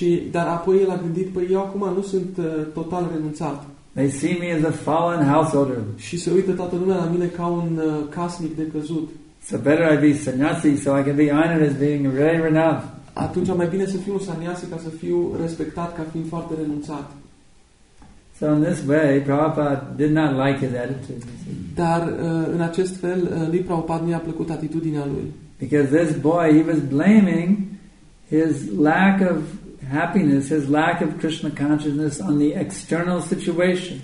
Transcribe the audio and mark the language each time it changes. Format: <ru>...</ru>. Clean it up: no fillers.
<ro>Dar apoi el a gândit, păi eu acum nu sunt total renunțat.</ro> <en>They see me as a fallen householder.</en> <ro>Și se uită toată lumea la mine ca un casnic decăzut.</ro> <en>So better I be sannyasi so I can be honored as being very renounced.</en> <ro>Atunci mai bine să fiu un sannyasi ca să fiu respectat ca fiind foarte renunțat.</ro> <en>So in this way, Prabhupada did not like his attitude.</en> <ro>Dar în acest fel, lui Prabhupada nu i-a plăcut atitudinea lui.</ro> <en>Because this boy, he was blaming his lack of happiness, his lack of Krishna consciousness on the external situation.</en>